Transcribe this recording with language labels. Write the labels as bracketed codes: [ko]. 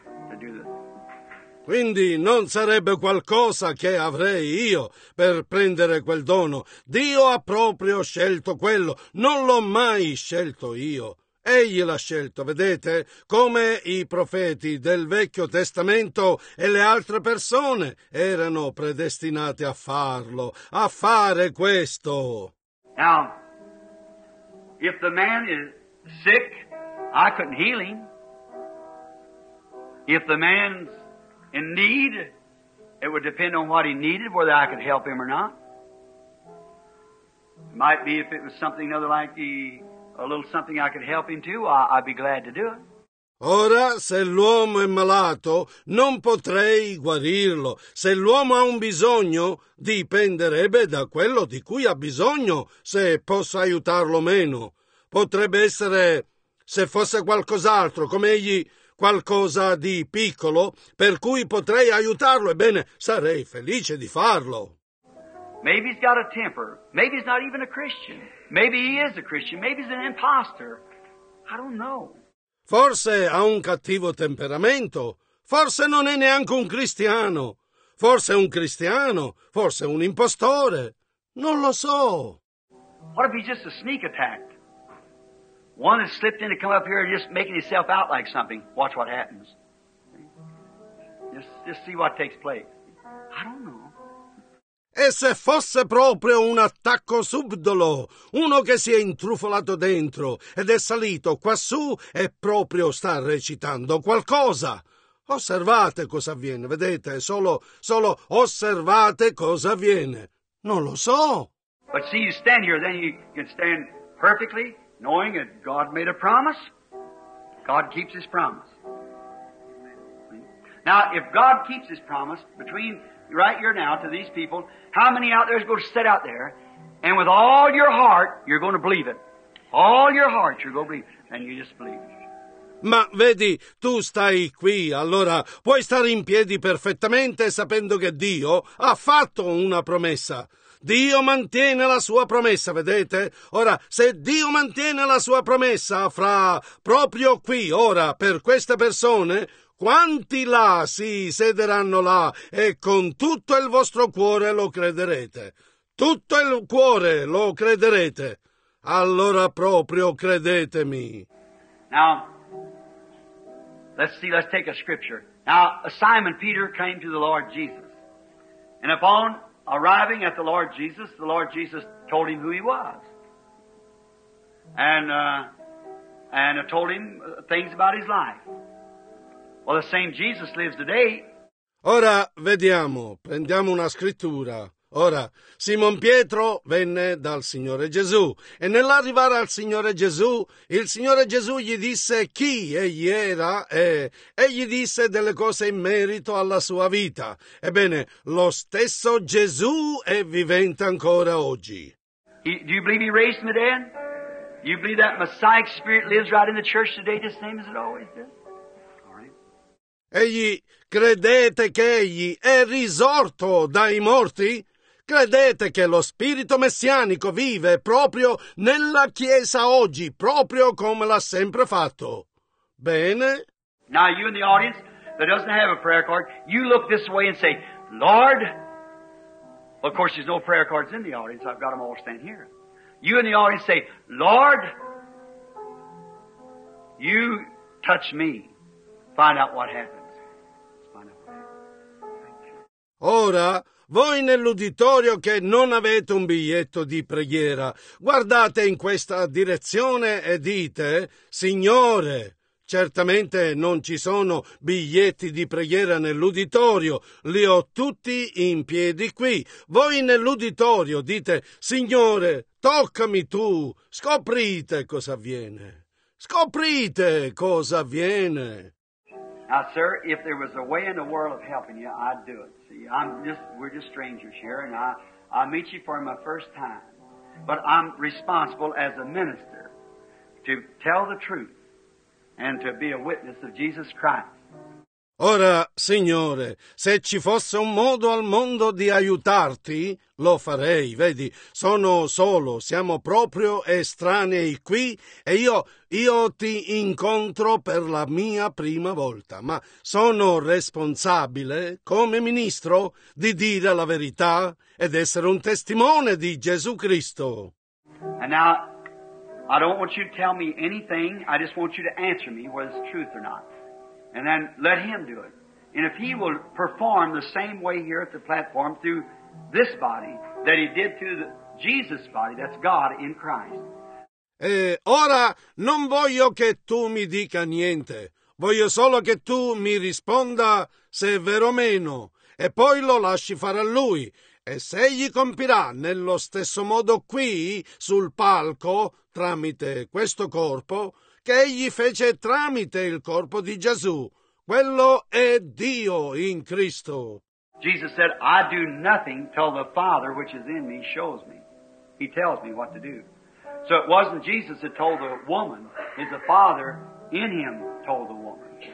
[en] To do this. [it] Quindi non sarebbe qualcosa che avrei io per prendere quel dono. Dio ha proprio scelto quello. Non l'ho mai scelto io. Egli l'ha scelto, vedete? Come i profeti del Vecchio Testamento e le altre persone erano predestinate a farlo, a fare questo. [en] Now, if the man is sick, I couldn't heal him. If the man's in need, it would depend on what he needed, whether I could help him or not. Might be if it was something other like a little something I could help him to, I'd be glad to do it. [it] Ora, se l'uomo è malato, non potrei guarirlo. Se l'uomo ha un bisogno, dipenderebbe da quello di cui ha bisogno, se posso aiutarlo meno. Potrebbe essere, se fosse qualcos'altro, come egli, qualcosa di piccolo, per cui potrei aiutarlo, ebbene, sarei felice di farlo. [en] Maybe he's got a temper. Maybe he's not even a Christian. Maybe he is a Christian. Maybe he's an imposter. I don't know. [it] Forse ha un cattivo temperamento, forse non è neanche un cristiano, forse è un cristiano, forse un impostore, non lo so. [en] What if he's just a sneak attack? One has slipped in to come up here just making himself out like something. Watch what happens. Just see what takes place. I don't know. [it] E se fosse proprio un attacco subdolo, uno che si è intrufolato dentro ed è salito quassù e proprio sta recitando qualcosa. Osservate cosa avviene, vedete, solo osservate cosa avviene. Non lo so. [en] But see, you stand here, then you can stand perfectly, knowing that God made a promise. God keeps his promise. Now, if God keeps his promise between right here now to these people, how many out there is going to sit out there and with all your heart you're going to believe it? All your heart you're going to believe it. And you just believe it. [it] Ma vedi, tu stai qui, allora puoi stare in piedi perfettamente sapendo che Dio ha fatto una promessa. Dio mantiene la sua promessa, vedete? Ora, se Dio mantiene la sua promessa fra proprio qui, ora, per queste persone, quanti là si siederanno là e con tutto il vostro cuore lo crederete? Tutto il cuore lo crederete? Allora proprio credetemi. [en] Now, let's take a scripture. Now, Simon Peter came to the Lord Jesus. And upon arriving at the Lord Jesus told him who he was. And told him things about his life. Well, the same Jesus lives today. [it] Ora vediamo, prendiamo una scrittura. Ora, Simon Pietro venne dal Signore Gesù e nell'arrivare al Signore Gesù, il Signore Gesù gli disse chi egli era e gli disse delle cose in merito alla sua vita. Ebbene, lo stesso Gesù è vivente ancora oggi. [en] Do you believe he raised me then? Do you believe that Messiah spirit lives right in the church today the same as it always did? [it] Egli, credete che egli è risorto dai morti? Credete che lo spirito messianico vive proprio nella Chiesa oggi, proprio come l'ha sempre fatto? Bene. [en] Now you in the audience that doesn't have a prayer card, you look this way and say, Lord, of course there's no prayer cards in the audience, I've got them all standing here. You in the audience say, Lord, you touch me. Find out what happened. [it] Ora voi nell'uditorio che non avete un biglietto di preghiera, guardate in questa direzione e dite: Signore, certamente non ci sono biglietti di preghiera nell'uditorio, li ho tutti in piedi qui. Voi nell'uditorio dite: Signore, toccami tu, scoprite cosa avviene. Scoprite cosa avviene. [en] Now, sir, if there was a way in the world of helping you, I'd do it. See, we're just strangers here, and I meet you for my first time. But I'm responsible as a minister to tell the truth and to be a witness of Jesus Christ. [it] Ora, Signore, se ci fosse un modo al mondo di aiutarti, lo farei. Vedi, sono solo, siamo proprio estranei qui e io ti incontro per la mia prima volta. Ma sono responsabile, come ministro, di dire la verità ed essere un testimone di Gesù Cristo. [en] And now, I don't want you to tell me anything, I just want you to answer me whether it's truth or not. And then let him do it. And if he will perform the same way here at the platform through this body that he did through the Jesus body, that's God in Christ. [it] Ora non voglio che tu mi dica niente. Voglio solo che tu mi risponda se è vero o meno. E poi lo lasci fare a lui. E se egli compirà nello stesso modo qui, sul palco, tramite questo corpo, che egli fece tramite il corpo di Gesù. Quello è Dio in Cristo. [en] Jesus said, I do nothing till the Father which is in me shows me. He tells me what to do. So it wasn't Jesus that told the woman, it's the Father in him told the woman.